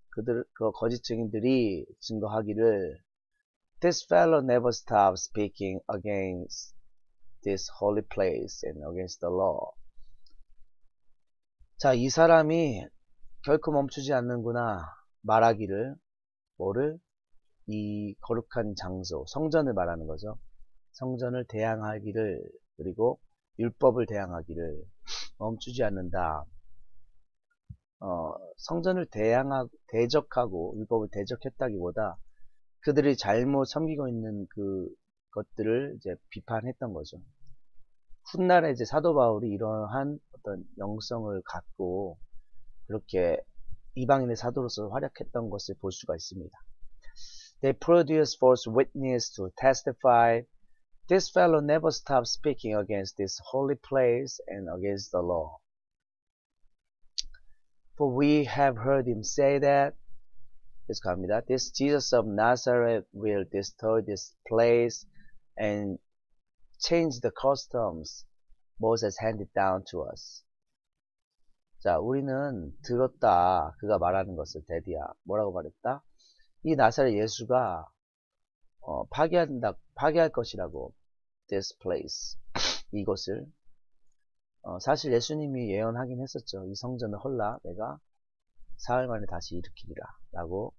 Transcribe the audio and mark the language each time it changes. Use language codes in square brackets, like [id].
[ko] 그 거짓 증인들이 증거하기를. [en] This fellow never stops speaking against this holy place and against the law. [ko] 자, 이 사람이 결코 멈추지 않는구나. 말하기를. 뭐를? 이 거룩한 장소, 성전을 말하는 거죠. 성전을 대항하기를. 그리고 율법을 대항하기를 멈추지 않는다. 성전을 대적하고 율법을 대적했다기보다 그들이 잘못 섬기고 있는 그 것들을 이제 비판했던 거죠. 훗날에 이제 사도 바울이 이러한 어떤 영성을 갖고 그렇게 이방인의 사도로서 활약했던 것을 볼 수가 있습니다. [en] They produce false witness to testify. This fellow never stops speaking against this holy place and against the law. For we have heard him say that, [ko] 계속합니다. [en] This Jesus of Nazareth will destroy this place and change the customs Moses handed down to us. [ko] 자, 우리는 들었다. 그가 말하는 것을, 데디야. 뭐라고 말했다? 이 나사렛 예수가, 파괴할 것이라고. [en] This place. [ko] 이곳을. 사실 예수님이 예언하긴 했었죠. 이 성전을 헐라. 내가 사흘 만에 다시 일으키리라. 라고.